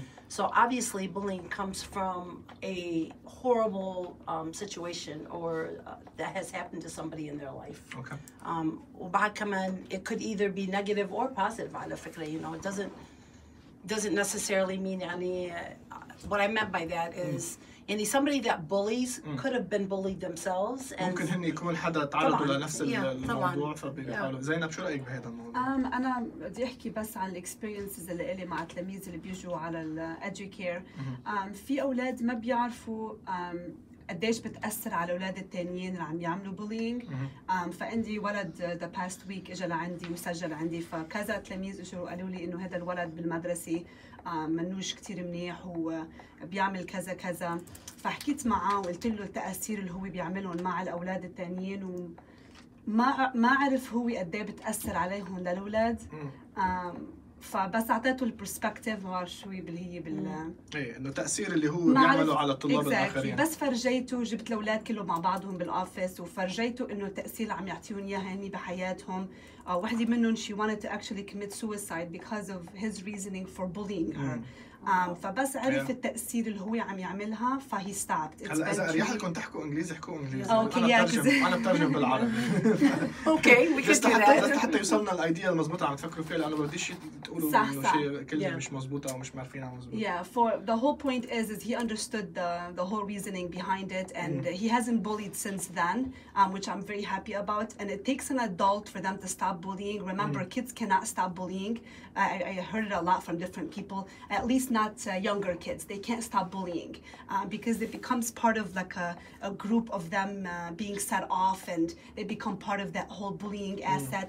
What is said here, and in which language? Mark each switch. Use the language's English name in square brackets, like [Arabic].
[English] So obviously bullying comes from a horrible situation or that has happened to somebody in their life. Okay. [Arabic] وبعد [English] it could either be negative or positive [Arabic] على فكرة. [English] You know, it doesn't necessarily mean [Arabic] يعني [English] what I meant by that is يعني somebody that bullies could have been bullied themselves. And [Arabic] ممكن هني يكون حدا تعرضوا لنفس الموضوع فبيحاولوا. زينب شو رأيك بهذا الموضوع؟ أنا بدي أحكي بس عن الإكسبيرينسز اللي إلي مع التلاميذ اللي بيجوا على الأدجيكير. في أولاد ما بيعرفوا قديش بتأثر على أولاد التانيين اللي عم يعملوا bullying. فعندي ولد [English] the past week [Arabic] إجا لعندي وسجل عندي، فكذا تلاميذ إجوا قالوا لي إنه هذا الولد بالمدرسة منوش كتير منيح وبيعمل كذا كذا. فحكيت معه وقلت له التأثير اللي هو بيعملهم مع الأولاد التانيين، وما عرف هو قدي بتأثر عليهم للأولاد. فبس أعطيته البرسبكتيف وعار شوي بالهي بال إنه تأثير اللي هو بيعمله على الطلاب الآخرين. بس فرجيته، جبت الأولاد كله مع بعضهم بالأوفيس وفرجيته إنه التأثير عم يعطيهم إياه هني بحياتهم. واحدة منهم [English] she wanted to actually commit suicide because of his reasoning for bullying her. [Arabic] فبس عرف التأثير اللي هو عم يعملها فهي [English] stopped. [Arabic] هلا إذا أريحلكم تحكوا إنجليزي حكوا إنجليزي. أوكي. أنا بترجم بالعربي. أوكي. بس حتى يوصلنا الأيديا المزبوطة عم تفكروا فيها، لأنه بديش تقولوا إنه شيء كله مش مزبوطة أو مش معرفينها مزبوطة. [English] Yeah. For the whole point is he understood the whole reasoning behind it and he hasn't bullied since then, which I'm very happy about. And it takes an adult for them to stop bullying. Remember, kids cannot stop bullying. I heard it a lot from different people. At least not younger kids. They can't stop bullying because it becomes part of like a group of them being set off, and they become part of that whole bullying asset.